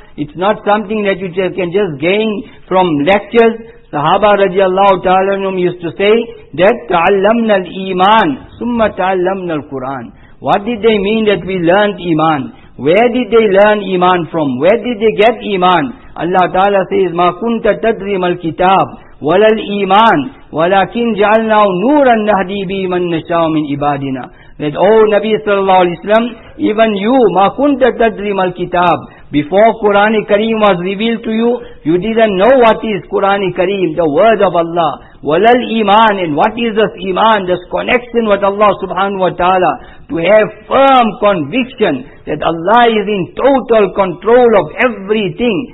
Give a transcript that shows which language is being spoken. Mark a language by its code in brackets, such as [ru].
[en] It's not something that you can just gain from lectures. Sahaba radiallahu ta'ala anhum used to say that [ar] ta'allamna al-iman, summa ta'allamna al-Quran. [en] What did they mean that we learned iman? Where did they learn iman from? Where did they get iman? Allah Ta'ala says, [ar] مَا كُنْتَ تَدْرِمَ الْكِتَابِ وَلَا الْإِيمَانِ وَلَكِنْ جَعَلْنَاهُ نُورًا نَهْدِي بِهِ مَنْ نَشَاءُ مِنْ عِبَادِنَا. [en] That, O Nabi Sallallahu Alaihi Wasallam, even you, [ar] مَا كُنْتَ تَدْرِمَ الْكِتَابِ, [en] before Qur'an Kareem was revealed to you, you didn't know what is Qur'an Kareem, the word of Allah. [ar] وَلَا الْإِيمَانِ, [en] and what is this iman, this connection with Allah Subhanahu Wa Ta'ala, to have firm conviction that Allah is in total control of everything.